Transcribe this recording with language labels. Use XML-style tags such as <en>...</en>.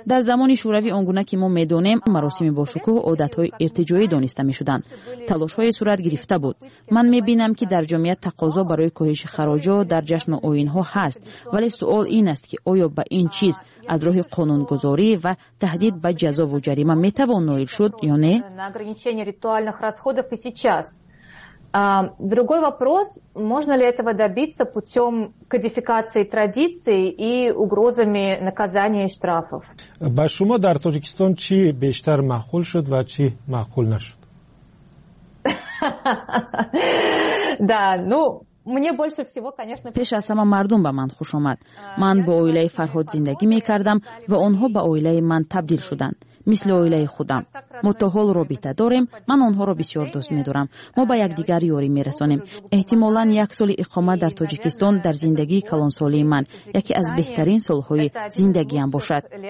<fa>در زمان شوروی آنگونه که ما میدونیم، مراسم باشکوه عادت های ارتجایی دانسته میشدند. تلاش های صورت گرفته بود. من میبینم که در جامعه تقاضا برای کاهش خراج در جشن و این ها هست، ولی سوال این است که آیا به این چیز از روح قانونگذاری و تهدید به جزا و جریمه میتوان نایل شد یا نه؟</fa> <ru>ограничение ритуальных расходов и сейчас. Другой вопрос, можно ли этого добиться путем кодификации традиций и угрозами наказания и штрафов?</ru> <tg>Ба шумо дар Тоҷикистон чи бештар маъқул шуд ва чи маъқул нашуд?</tg> <ru>Да, ну мне больше всего, конечно,</ru> <tg>пеш аз сама мардум ба ман хуш омад. Ман бо оилаи Фарҳод зиндагӣ мекардам ва онҳо ба оилаи ман табдил шуданд.</tg> <fa>مثل اویله خودم. ما تا حال رابطه داریم. من آنها را بسیار دوست می دارم. ما به یک دیگر یاری می رسانیم. احتمالاً یک سال اقامت در تاجیکستان در زندگی کلان سالی من یکی از بهترین سالهای زندگیم باشد.</fa>